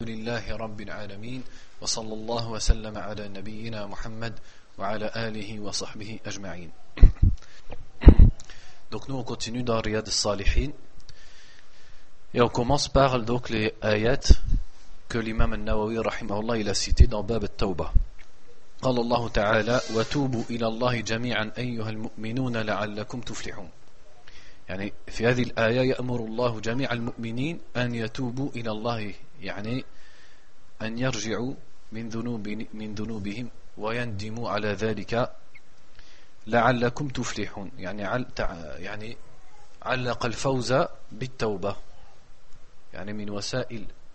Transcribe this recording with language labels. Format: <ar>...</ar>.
<ar>لله رب العالمين وصلى الله وسلم على نبينا محمد وعلى آله وصحبه أجمعين.</ar> <fr>Donc nous on continue dans Riyad al-Salihin et on commence par donc les ayats que l'imam al-Nawawi rahimahullah il a cité dans Bab al-Tawbah.</fr> <ar>قال الله تعالى وتوبوا إلى الله جميعا أيها المؤمنون لعلكم تفلحون. يعني في هذه الآية يأمر الله جميع المؤمنين أن يتوبوا إلى الله يعني أن يرجعوا من ذنوبهم ويندموا على ذلك لعلكم تفلحون يعني علق الفوز بالتوبة يعني من وسائل</ar>